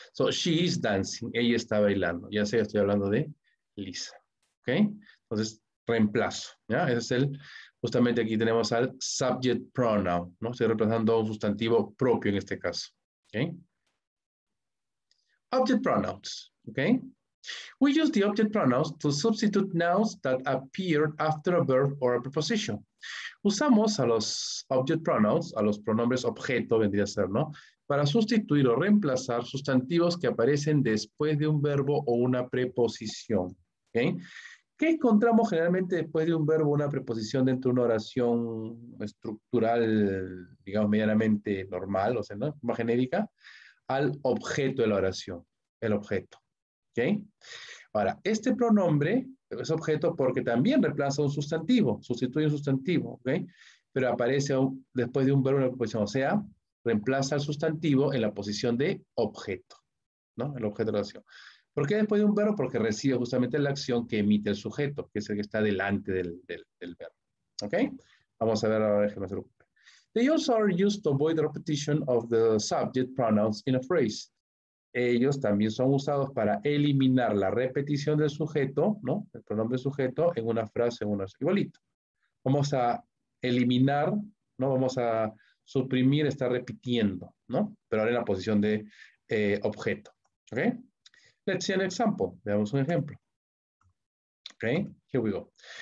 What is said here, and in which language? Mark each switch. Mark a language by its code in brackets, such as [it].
[en] So, she is dancing. [es] Ella está bailando. Ya sé, estoy hablando de Lisa. Okay, entonces, reemplazo, ¿ya? Ese es el, justamente aquí tenemos al subject pronoun, ¿no? Estoy reemplazando un sustantivo propio en este caso, ¿ok? [en] Object pronouns, ¿ok? We use the object pronouns to substitute nouns that appear after a verb or a preposition. [es] Usamos a los object pronouns, a los pronombres objeto, vendría a ser, ¿no? Para sustituir o reemplazar sustantivos que aparecen después de un verbo o una preposición, ¿ok? ¿Qué encontramos generalmente después de un verbo o una preposición dentro de una oración estructural, digamos, medianamente normal, o sea, ¿no? Más genérica, al objeto de la oración, el objeto, ¿ok? Ahora, este pronombre es objeto porque también reemplaza un sustantivo, sustituye un sustantivo, ¿ok? Pero aparece después de un verbo o una preposición, o sea, reemplaza el sustantivo en la posición de objeto, ¿no? El objeto de la oración. ¿Por qué después de un verbo? Porque recibe justamente la acción que emite el sujeto, que es el que está delante del verbo. ¿Ok? Vamos a ver ahora, déjenme hacer un poco. [en] They also are used to avoid the repetition of the subject pronouns in a phrase. [es] Ellos también son usados para eliminar la repetición del sujeto, ¿no? El pronombre sujeto en una frase, en una frase. Igualito. Vamos a eliminar, ¿no? Vamos a suprimir, estar repitiendo, ¿no? Pero ahora en la posición de objeto. ¿Ok? [en] Let's see an example. [es] Veamos un ejemplo. [en] Okay, here we go.